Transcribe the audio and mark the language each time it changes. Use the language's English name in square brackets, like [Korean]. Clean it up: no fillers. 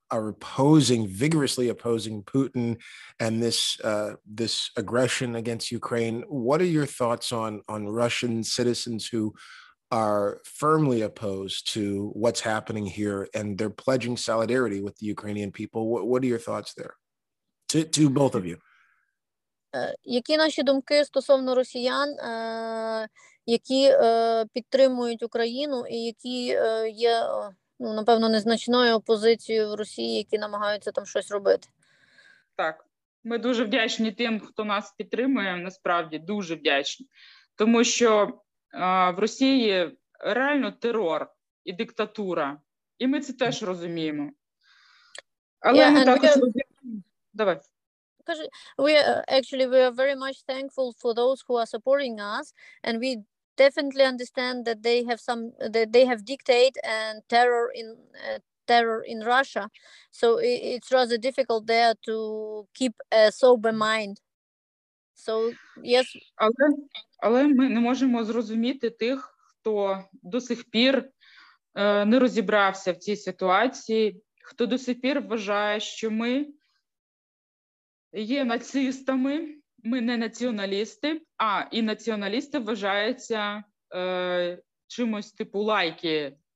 [English] are opposing, vigorously opposing Putin and this aggression against Ukraine. What are your thoughts on Russian citizens who are firmly opposed to what's happening here, and they're pledging solidarity with the Ukrainian people? What are your thoughts there, to both of you? [Ukrainian] Які наші думки стосовно росіян, які підтримують Україну і які є, ну, напевно, незначною опозицією в Росії, які намагаються там щось робити? Так, ми дуже вдячні тим, хто нас підтримує, насправді, дуже вдячні. Тому що в Росії реально терор і диктатура. І ми це теж розуміємо. Але ми також розуміємо. Давай. [English] We are very much thankful for those who are supporting us, and we definitely understand that they have some, that they have dictate and terror in Russia, so it's rather difficult there to keep a sober mind. So yes, [Ukrainian] але ми не можемо зрозуміти тих, хто до сих пір не розібрався в цій ситуації, хто до сих пір вважає, що ми є нацистами, ми не націоналісти, а і націоналісти вважаються чимось типу лайки.